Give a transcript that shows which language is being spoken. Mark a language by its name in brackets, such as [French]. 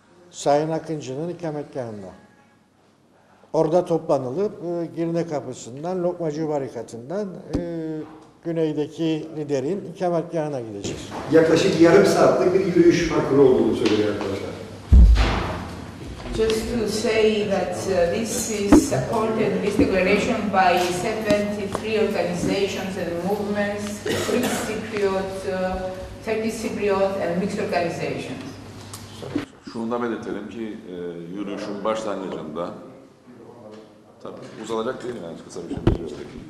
[Turkish] Sayın Akıncı'nın ikametgahında. Orada toplanılıp Girne Kapısı'ndan, Lokmacı Barikatı'ndan güneydeki liderin ikametgahına gideceğiz. Yaklaşık yarım saatlik bir yürüyüş parkuru olduğunu söylüyor arkadaşlar. [English] Just to say that this is supported, this declaration, by 73 organizations and movements, Greek Cypriot, Turkish Cypriot and mixed organizations. [Turkish] Şunu da belirtelim ki yürüyüşün başlangıcında tabii uzanacak değil mi? Yani kısa bir şey söyleyecek.